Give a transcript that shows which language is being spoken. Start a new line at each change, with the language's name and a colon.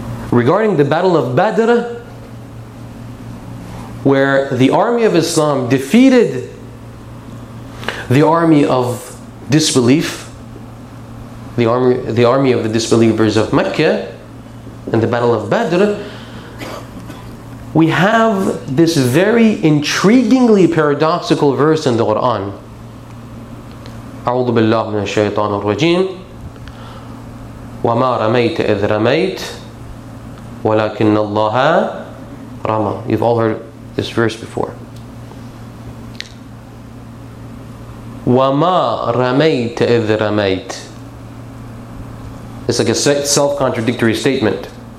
English: Regarding the Battle of Badr, where the army of Islam defeated the army of disbelief, the army of the disbelievers of Mecca, in the Battle of Badr, we have this very intriguingly paradoxical verse in the Quran.
Arabic: أعوذ بالله من الشيطان الرجيم وما رميت إذ رميت ولكن الله رمى.
English: You've all heard this verse before.
Arabic: وما رميت إذ رميت.
English: It's like a self-contradictory statement.